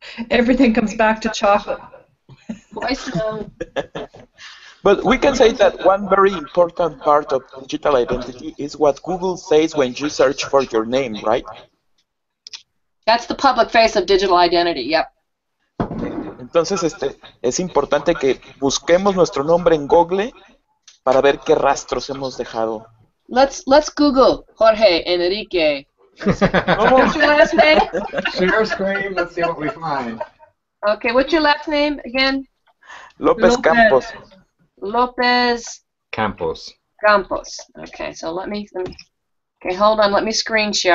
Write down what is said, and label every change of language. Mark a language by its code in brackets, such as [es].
[en] Everything comes back to chocolate. Why so? But we can say that one very important part of digital identity is what Google says when you search for your name, right? That's the public face of digital identity, yep. [es] Entonces, es importante que busquemos nuestro nombre en Google para ver qué rastros hemos dejado. [en] Let's Google Jorge Enrique. What's your last name? Share your screen, let's see what we find. Okay, what's your last name again? Lopez Campos. Lopez Campos. Campos. Okay, so let me. Okay, hold on. Let me screen share.